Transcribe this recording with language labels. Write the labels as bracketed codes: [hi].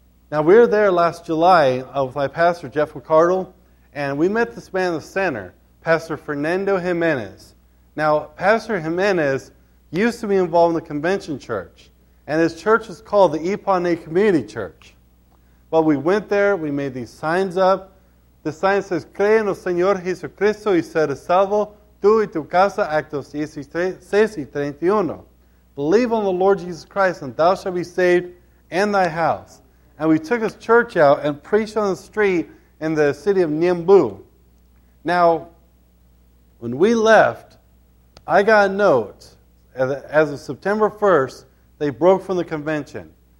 [en] Now, we were there last July with my pastor, Jeff McArdle, and we met this man in the center, Pastor Fernando Jimenez. Now, Pastor Jimenez used to be involved in the convention church, and his church was called the Ipané Community Church. But we went there, we made these signs up. The sign says, [es] "Cree en el Señor Jesucristo y seré salvo, tú y tu casa, Actos 16:31. [en] Believe on the Lord Jesus Christ, and thou shalt be saved and thy house." And we took his church out and preached on the street in the city of Niembu. Now, when we left, I got a note. As of September 1st, they broke from the convention.